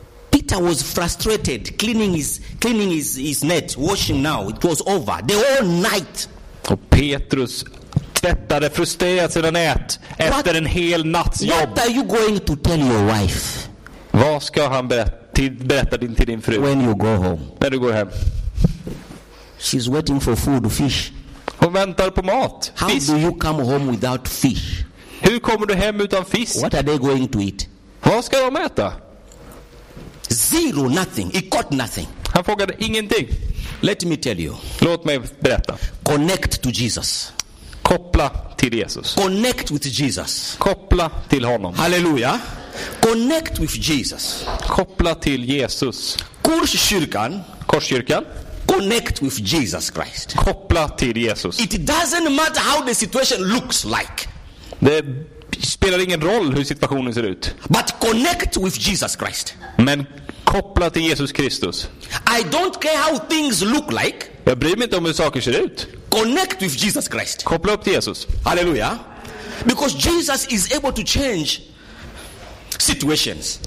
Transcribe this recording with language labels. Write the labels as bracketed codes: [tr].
[en] Peter was frustrated cleaning his net, washing now. It was over. The whole night. [sv] Och Petrus tvättade frustrerat sina nät efter en hel natts jobb. [en] What are you going to tell your wife? [sv] Vad ska han berätta till din fru? [en] When you go home. [sv] När du går hem. [en] She's waiting for food, fish. [sv] Hon väntar på mat. Fisk. [en] How do you come home without fish? [sv] Hur kommer du hem utan fisk? [en] What are they going to eat? [sv] Vad ska de äta? [en] Zero, nothing. He got nothing. [sv] Han fångade ingenting. [en] Let me tell you. [sv] Låt mig berätta. [en] Connect to Jesus. [sv] Koppla till Jesus. [en] Connect with Jesus. [sv] Koppla till honom. [en] Halleluja. Connect with Jesus. [sv] Koppla till Jesus. Korskyrkan. Korskyrkan. [en] Connect with Jesus Christ. [sv] Koppla till Jesus. [en] It doesn't matter how the situation looks like. [sv] Det spelar ingen roll hur situationen ser ut. [en] But connect with Jesus Christ. [sv] Men koppla till Jesus Kristus. [en] I don't care how things look like. [sv] Jag bryr mig inte om hur saker ser ut. [en] Connect with Jesus Christ. [sv] Koppla upp till Jesus. [en] Halleluja. Because Jesus is able to change situations.